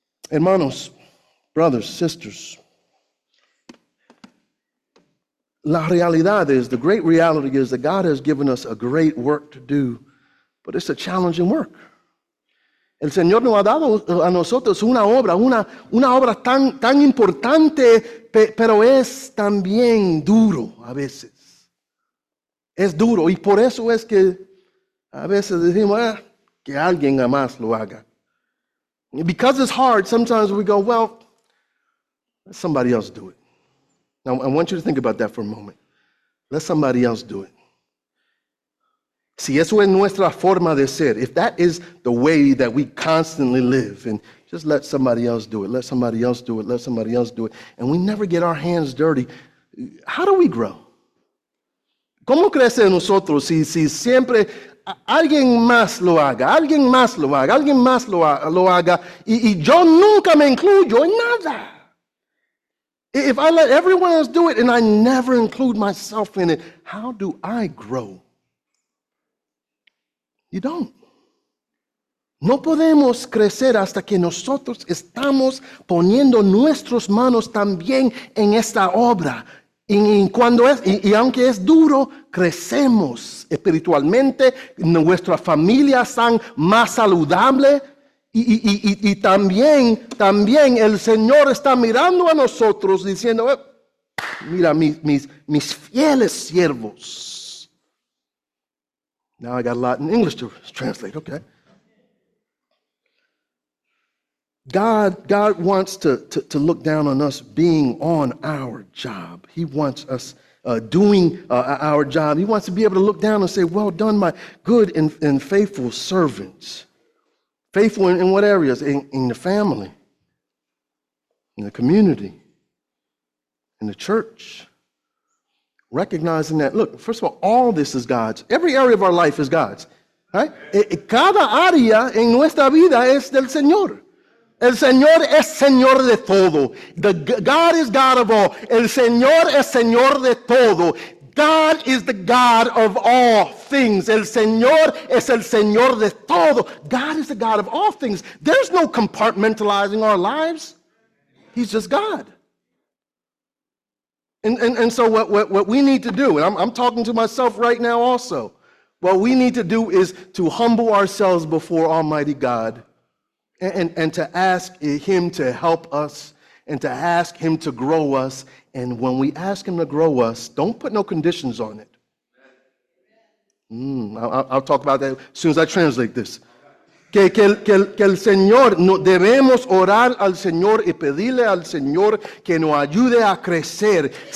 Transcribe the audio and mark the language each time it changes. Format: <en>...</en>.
<en>Hermanos, brothers, sisters,</en> <es>la realidad</es> <en>is, the great reality is that God has given us a great work to do, but it's a challenging work.</en> <es>El Señor nos ha dado a nosotros una obra, una obra tan, tan importante, pero es también duro a veces. Es duro, y por eso es que a veces decimos, que alguien más lo haga.</es> <en>Because it's hard, sometimes we go, well, let somebody else do it. Now, I want you to think about that for a moment. Let somebody else do it.</en> <es>Si eso es nuestra forma de ser,</es> <en>if that is the way that we constantly live, and just let somebody else do it, let somebody else do it, let somebody else do it, and we never get our hands dirty, how do we grow?</en> <es>¿Cómo crece nosotros si siempre alguien más lo haga, alguien más lo haga, alguien más lo haga, y yo nunca me incluyo en nada?</es> <en>If I let everyone else do it and I never include myself in it, how do I grow? You don't.</en> <es>No podemos crecer hasta que nosotros estamos poniendo nuestras manos también en esta obra. Y aunque es duro, crecemos espiritualmente, nuestras familias están más saludables, y también el Señor está mirando a nosotros diciendo, mira mis fieles siervos.</es> <en>Now I got a lot in English to translate, okay. God wants to look down on us being on our job. He wants us doing our job. He wants to be able to look down and say, well done, my good and faithful servants. Faithful in what areas? In the family, in the community, in the church. Recognizing that, look, first of all this is God's. Every area of our life is God's. Right?</en> <es>Cada área en nuestra vida es del Señor. El Señor es Señor de todo.</es> <en>God is God of all.</en> <es>El Señor es Señor de todo.</es> <en>God is the God of all things.</en> <es>El Señor es el Señor de todo.</es> <en>God is the God of all things. There's no compartmentalizing our lives. He's just God. And so what we need to do, and I'm talking to myself right now also, what we need to do is to humble ourselves before Almighty God and to ask Him to help us and to ask Him to grow us. And when we ask Him to grow us, don't put no conditions on it. I'll talk about that as soon as I translate this.</en> <es>Que el Señor, no debemos orar al Señor y pedirle al Señor que nos ayude a crecer</es>